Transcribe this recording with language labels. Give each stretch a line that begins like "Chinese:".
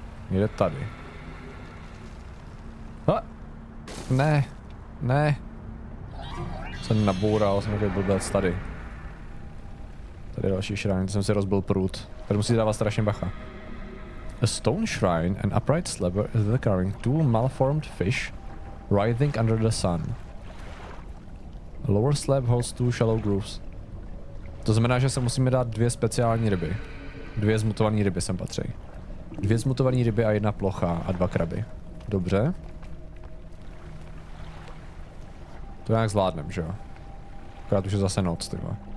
Czech: Jde tady. A! Ne! Jsem naboural, jsem takový blbec tady. Tady další shrine, to jsem si rozbil prut. Tady musí dávat strašně bacha.
English: A stone shrine, an upright slab is the carving two malformed fish writhing under the sun. A lower slab holds two shallow grooves.
Czech: To znamená, že se musíme dát dvě speciální ryby. Dvě zmutované ryby sem patří. Dvě zmutované ryby a jedna plocha a dva kraby. Dobře. To nějak zvládnem, že jo? Akorát už je zase noc, tyhle.